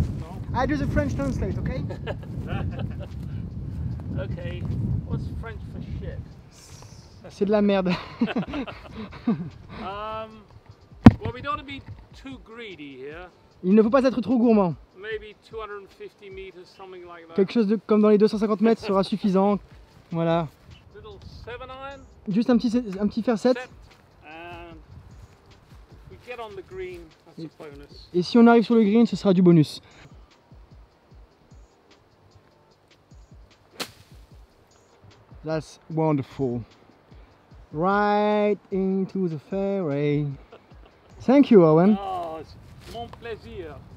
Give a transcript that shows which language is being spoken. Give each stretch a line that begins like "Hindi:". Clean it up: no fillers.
English: No. I do the French translate, okay? Okay. What's French for shit?
French: C'est de la merde.
English: Well, we don't want to be too greedy here.
French: Il ne faut pas être trop gourmand.
English: Maybe 250 meters, something like that.
French: Quelque chose de, comme dans les 250 mètres sera suffisant. Voilà.
English: Little 7 iron.
French: Juste un petit fer 7.
English: We get on the green, that's a bonus.
French: Et si on arrive sur le green, ce sera du bonus.
English: That's wonderful. Right into the fairway. Thank you, Owen.
French: Oh. Mon plaisir.